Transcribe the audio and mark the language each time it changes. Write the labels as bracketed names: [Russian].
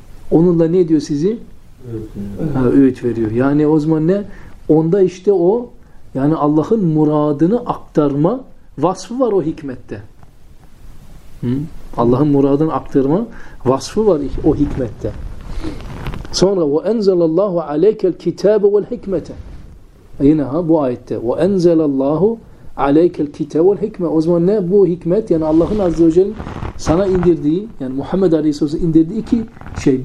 [Turkish] Onunla ne diyor sizi? Ha, öğüt veriyor. Yani o zaman ne? Onda işte o, yani Allah'ın muradını aktarma vasfı var o hikmette. Allah'ın muradını aktarma vasfı var o hikmette. Sonra [Arabic] وَاَنْزَلَ اللّٰهُ عَلَيْكَ الْكِتَابَ وَالْحِكْمَةَ. [Turkish] Yine ha bu ayette [Arabic] وَاَنْزَلَ اللّٰهُ عَلَيْكَ الْكِتَابَ وَالْحِكْمَةَ. [Turkish] O zaman ne bu hikmet? Yani Allah'ın Azze ve Celle'nin sana indirdiği, yani Muhammed Aleyhisselam'ın indirdiği iki şey.